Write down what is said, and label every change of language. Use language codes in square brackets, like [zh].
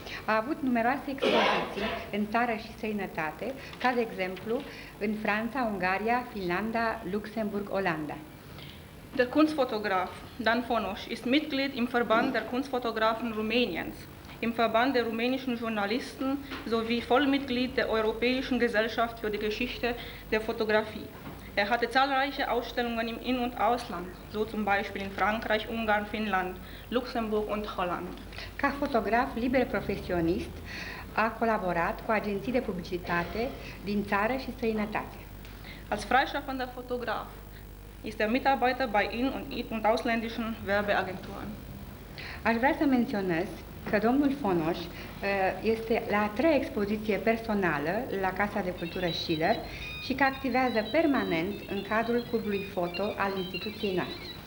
[ro] A avut numeroase expoziții în țară și străinătate, ca de exemplu în Franța, Ungaria, Finlanda, Luxemburg, Olanda. [de] Der Kunstfotograf Dan Fonoș ist Mitglied im Verband der Kunstfotografen Rumäniens, im Verband der rumänischen Journalisten sowie Vollmitglied der Europäischen Gesellschaft für die Geschichte der Fotografie. Er hatte zahlreiche Ausstellungen im In- und Ausland, so zum Beispiel in Frankreich, Ungarn, Finnland, Luxemburg und Holland. [ro] Ca fotograf liber profesionist a colaborat cu agenții de publicitate din țară și străinătate. [de] Als freischaffender Fotograf ist er Mitarbeiter bei In- und ausländischen Werbeagenturen. [ro] Aș vrea să menționez că domnul Fonoș este la a treia expoziție personală la Casa de Cultură Schiller și că activează permanent în cadrul cursului foto al instituției noastre.